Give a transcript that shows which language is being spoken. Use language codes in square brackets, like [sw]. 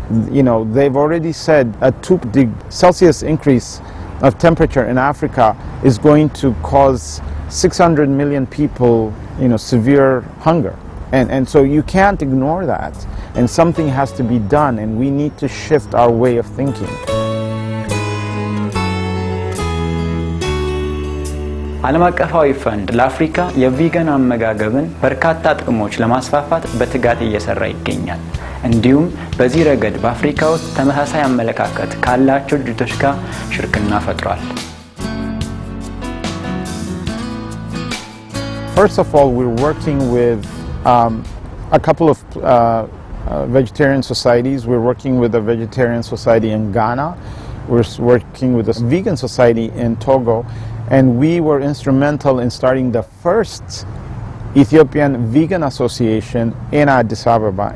[en] You know, they've already said a 2 degrees Celsius increase of temperature in Africa is going to cause 600 million people, you know, severe hunger. And so you can't ignore that. And something has to be done, and we need to shift our way of thinking. [am] ዓለም አቀፋዊ ፈንድ ለአፍሪካ የቪጋን አመጋገብን በርካታ ጥቅሞች ለማስፋፋት በትጋት እየሰራ ይገኛል። እንዲሁም በዚህ ረገድ በአፍሪካ ውስጥ ተመሳሳይ አመለካከት ካላቸው ድርጅቶች ጋር ሽርክና ፈጥሯል። [en] First of all, we're working with a couple of vegetarian societies. We're working with a vegetarian society in Ghana. We're working with a vegan society in Togo. And we were instrumental in starting the first Ethiopian Vegan Association in Addis Ababa.